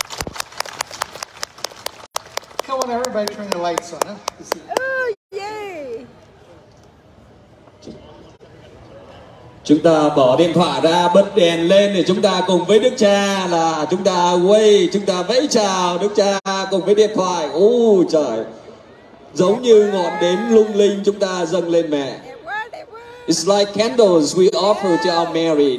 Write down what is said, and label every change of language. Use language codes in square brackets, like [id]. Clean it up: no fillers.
[en] Come on, everybody, turn the lights on, huh? Oh, yay! [vi] Chúng ta bỏ điện thoại ra, bật đèn lên để chúng ta cùng với Đức Cha là chúng ta quay, chúng ta vẫy chào Đức Cha cùng với điện thoại. Ôi trời, giống như ngọn đến lung linh chúng ta dâng lên mẹ. [en] It's like candles we offer to our Mary.